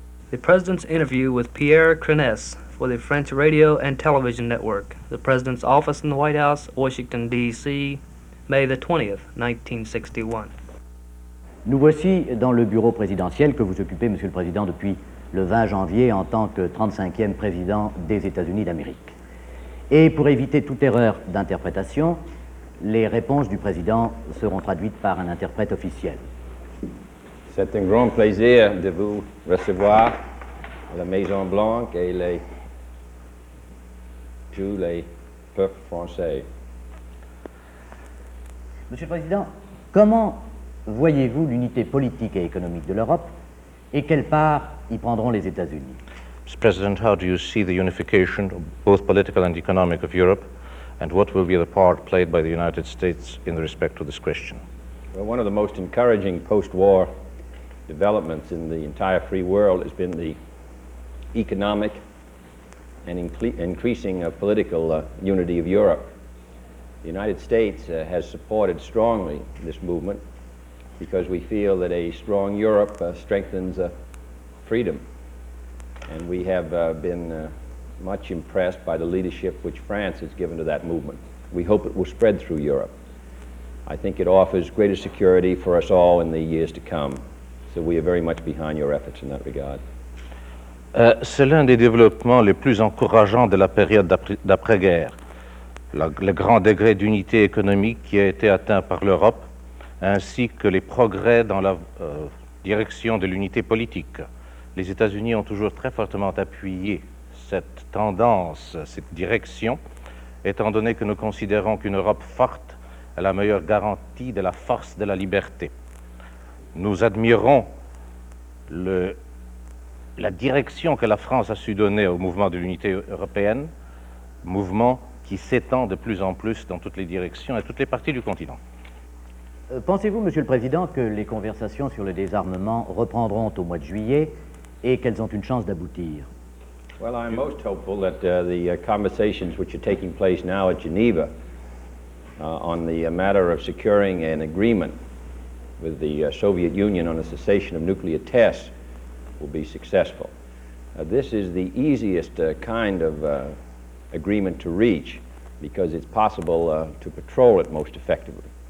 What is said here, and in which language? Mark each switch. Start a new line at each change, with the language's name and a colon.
English: The President's Interview with Pierre Crenesse for the French Radio and Television Network. The President's Office in the White House, Washington, D.C., May the 20th, 1961.
French: Nous voici dans le bureau présidentiel que vous occupez, Monsieur le Président, depuis le 20 janvier en tant que 35e président des États-Unis d'Amérique. Et pour éviter toute erreur d'interprétation, les réponses du président seront traduites par un interprète officiel. C'est un grand plaisir de vous recevoir à la Maison Blanche et tous les peuples français. Monsieur le Président, comment voyez-vous l'unité politique et économique de l'Europe et quelle part y prendront les États-Unis?
English: Mr. President, how do you see the unification, both political and economic, of Europe, and what will be the part played by the United States in respect to this question? Well, one of the most encouraging post-war developments in the entire free world has been the economic and increasing of political unity of Europe. The United States has supported strongly this movement because we feel that a strong Europe strengthens freedom. And we have been much impressed by the leadership which France has given to that movement. We hope it will spread through Europe. I think it offers greater security for us all in the years to come. So we are very much behind your efforts in that regard.
French: C'est l'un des développements les plus encourageants de la période d'après-guerre. Le grand degré d'unité économique qui a été atteint par l'Europe, ainsi que les progrès dans la direction de l'unité politique. Les États-Unis ont toujours très fortement appuyé cette tendance, cette direction, étant donné que nous considérons qu'une Europe forte est la meilleure garantie de la force de la liberté. Nous admirons la direction que la France a su donner au mouvement de l'unité européenne, mouvement qui s'étend de plus en plus dans toutes les directions et toutes les parties du continent. Pensez-vous, Monsieur le Président, que les conversations sur le désarmement reprendront au mois de juillet et qu'elles ont une chance d'aboutir?
English: Well, I'm most hopeful that the conversations which are taking place now at Geneva on the matter of securing an agreement with the Soviet Union on a cessation of nuclear tests will be successful. This is the easiest kind of agreement to reach because it's possible to patrol it most effectively.